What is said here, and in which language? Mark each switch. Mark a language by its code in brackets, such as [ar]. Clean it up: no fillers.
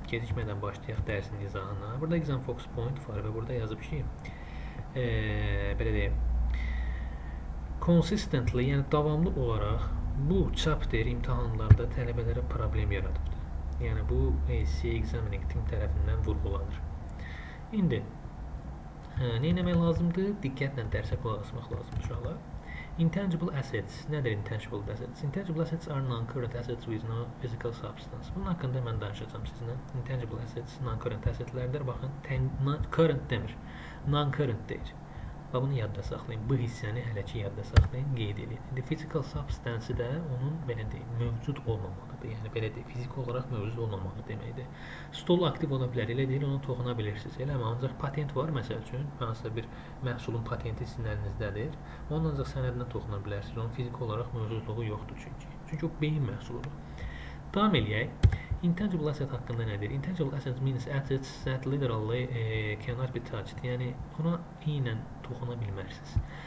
[az] Gecikmədən başlayaq dərsin izahına. Burada exam focus point var və burada yazıb ki, belə deyim, consistently, yəni davamlı olaraq bu chapter imtihanlarda tələbələrə problem yaradıbdır. Yəni bu ACA examining team tərəfindən vurğulanır. İndi ne eləmək lazımdır? Diqqətlə dərsə qulaq asmaq lazımdır uşaqlar. Intangible assets. Nədir intangible assets? [en] Intangible assets are non-current assets with no physical substance. [az] Bunun haqqında mən danışacağam sizinlə. Intangible assets non-current assetlərdir. Baxın, non-current demir. Non-current deyir. Və bunu yadda saxlayın. Bu hissəni hələ ki yadda saxlayın, qeyd edin. The physical substance də onun belə deyim, mövcud olmamaqdır. Yəni belə deyim, fiziki olaraq mövcud olmamaq deməkdir. Stol aktiv ola bilər, elə deyil, ona toxuna bilirsiniz. Eləmi? Ancaq patent var məsəl üçün, hansısa bir məhsulun patenti sizin əlinizdədir. Onun ancaq sənədinə toxuna bilərsiniz. Onun fiziki olaraq mövcudluğu yoxdur çünki. Çünki o beyin məhsuludur. Davam eləyək. Intangible asset haqqında nədir? [en] Intangible assets means assets that literally cannot be touched. [az] Yəni, ona eynlə toxuna bilmərsiniz.